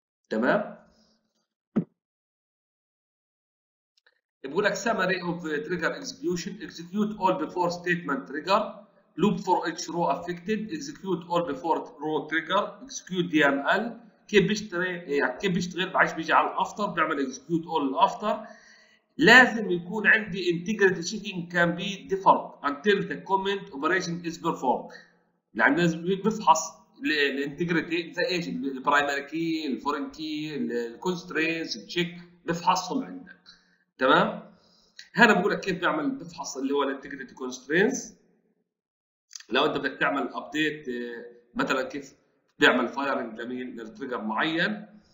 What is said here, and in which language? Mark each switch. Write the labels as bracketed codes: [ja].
[en] تمام؟ [ar] بقول لك [en] summary of trigger execution execute all before statement trigger loop for each row affected execute all before row trigger execute DML. [ar] كيف بيشتغل؟ يعني كيف بيشتغل؟ بعيش بيجي على الافتر بعمل execute all الافتر. لازم يكون عندي [en] integrity checking can be deferred until the comment operation is performed. [ar] يعني لازم بفحص الانتجريتي زي ايش؟ البرايمري كي، الفورين كي، الكونسترينتس، التشيك، بفحصهم عندك. تمام؟ هنا بقول لك كيف بعمل بفحص اللي هو الانتجريتي كونسترينتس. لو انت بدك تعمل ابديت مثلا كيف بيعمل فايرنج لمين؟ للتريجر معين.